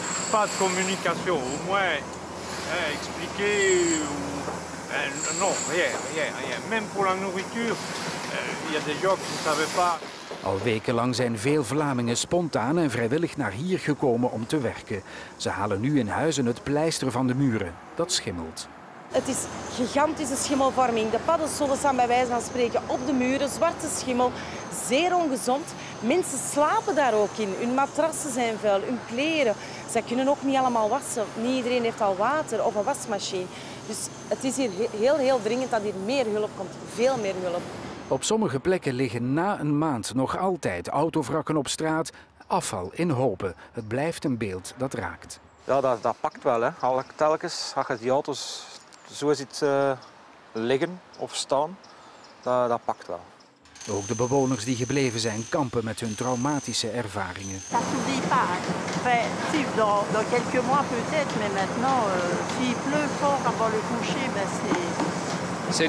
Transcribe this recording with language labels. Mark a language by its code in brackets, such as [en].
[fr] Pas de communication, au moins expliquer. Non, rien. Même pour la nourriture, il y a des gens qui ne savaient pas. [nl] Al wekenlang zijn veel Vlamingen spontaan en vrijwillig naar hier gekomen om te werken. Ze halen nu in huizen het pleister van de muren. Dat schimmelt. Het is gigantische schimmelvorming. De paddenstoelen staan bij wijze van spreken op de muren. Zwarte schimmel, zeer ongezond. Mensen slapen daar ook in. Hun matrassen zijn vuil, hun kleren. Zij kunnen ook niet allemaal wassen. Niet iedereen heeft al water of een wasmachine. Dus het is hier heel, heel dringend dat hier meer hulp komt. Veel meer hulp. Op sommige plekken liggen na een maand nog altijd autovrakken op straat, afval in hopen. Het blijft een beeld dat raakt. Ja, dat pakt wel. Hè. Telkens als je die auto's zo ziet liggen of staan, dat pakt wel. Ook de bewoners die gebleven zijn kampen met hun traumatische ervaringen. [fr] Dat n'oublie pas. Dans quelques mois peut-être, mais maintenant, s'il pleut fort avant le coucher, c'est